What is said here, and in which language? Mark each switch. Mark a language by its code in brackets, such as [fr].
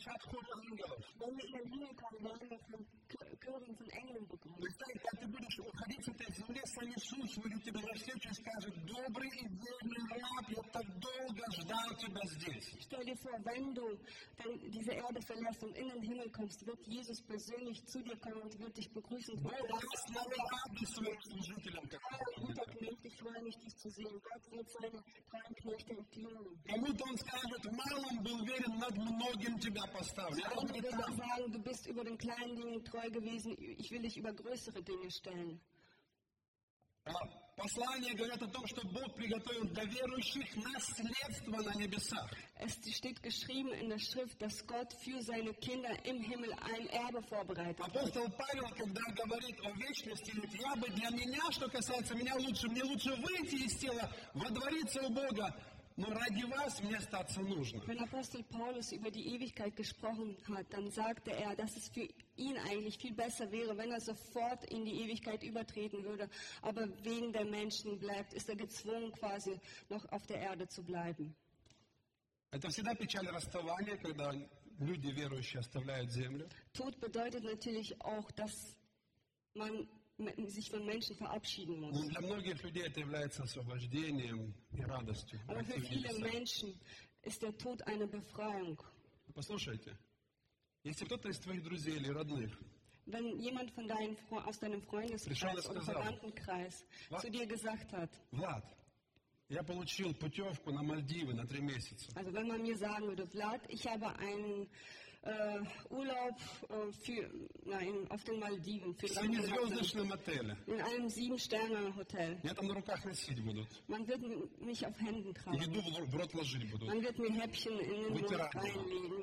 [de] wenn wir in den Himmel kommen, werden wir von Chören von Engeln begrüßt. [ru] Вы знаете, как ты будешь уходить с этой земли, сам Иисус выйдет тебе на встречу и скажет, добрый и верный раб, я так долго ждал тебя здесь. [de] Stell dir vor, wenn du dann diese Erde verlässt und in den Himmel kommst, wird Jesus persönlich zu dir kommen und wird dich begrüßen. [ru] Бог даст новый адрес своим жителям. [de] Guter Knecht, ich freue mich, dich zu sehen. Gott wird seine treuen Knechte entlohnen. Damit [ru] он скажет, малым был верен, над многим тебя поставлю. [de] Und wird dann sagen, du bist über den kleinen Dingen treu gewesen, ich will dich über größere Dinge stellen. [ru] Послание говорит о том, что Бог приготовил для верующих наследство на небесах. [de] Es steht geschrieben in der Schrift, dass Gott für seine Kinder im Himmel ein Erbe vorbereitet. [ru] Апостол Павел, когда говорит о вечности, говорит, я бы для меня, что касается меня, лучше, мне лучше выйти из тела, водвориться у Бога. Но ради вас мне остаться нужно. [de] Wenn Apostel Paulus über die Ewigkeit gesprochen hat, dann sagte er, dass es für ihn eigentlich viel besser wäre, wenn er sofort in die Ewigkeit übertreten würde. Aber wegen der Menschen bleibt, ist er gezwungen, quasi noch auf der Erde zu bleiben. [ru] Это всегда печаль расставания, когда люди верующие оставляют землю. [de] Tod bedeutet natürlich auch, dass man sich von Menschen verabschieden muss. Und [ru] для многих людей это является освобождением и радостью. [de] Aber für viele Menschen ist der Tod eine Befreiung. [ru] Послушайте, если кто-то из твоих друзей или родных [de] wenn jemand von deinen, aus deinem Freundeskreis oder Verwandtenkreis zu dir gesagt hat, [ru] Влад, я получил путевку на Мальдивы на 3 месяца. [de] Also wenn man mir sagen würde, Влад, ich habe einen Urlaub für, nein, auf den Maldiven. In einem 7-Sterne-Hotel. Man wird mich auf Händen tragen. Man wird mir Häppchen in den Mund reinlegen.